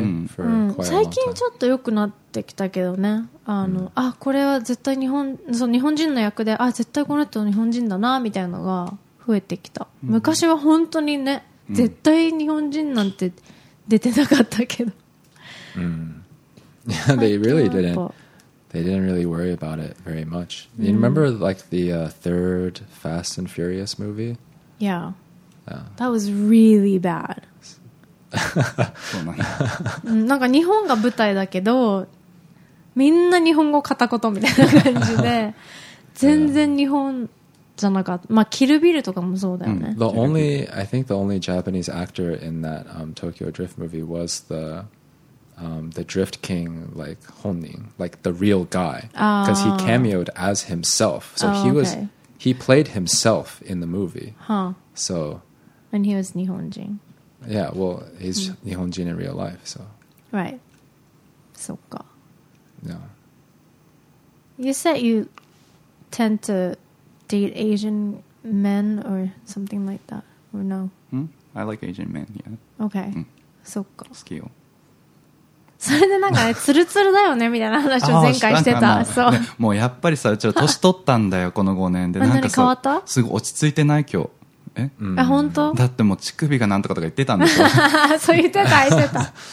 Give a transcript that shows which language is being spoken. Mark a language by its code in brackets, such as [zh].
[en] うん、for quite a long time. [ja] 最近ちょっと良くなってきたけどね。うん、あこれは絶対日本人の役で、あ絶対この人日本人だなみたいなのが増えてきた、うん、昔は本当にね、うん、絶対日本人なんて出てなかったけど、 [en] うん、yeah, they didn't really worry about it very much、うん、you remember like the、third Fast and Furious movie? Yeah. That was really bad. [ja] なんか日本が舞台だけどみんな日本語片言みたいな感じで全然日本じゃなかった、まあ、キルビルとかもそうだよね、うん、 [en] the only, I think the only Japanese actor in that、Tokyo Drift movie was the Drift King like 本人 like the real guy because he cameoed as himself so、 oh, he was、 okay. He played himself in the movie. Huh. So. And he was Nihonjin. Yeah, well, he's Nihonjin in real life, so. Right. Soっか. Yeah. You said you tend to date Asian men or something like that, or no? I like Asian men, yeah. Okay. Soっか. Skill. [ja] それでなんかね、ツルツルだよねみたいな話を前回してた。そう、ね。もうやっぱりさ、ちょっと年取ったんだよこの5年で。なんか変わった？すごい落ち着いてない今日。え？うん、あ本当？だってもう乳首がなんとかとか言ってたんだよ。そう言ってた言ってた。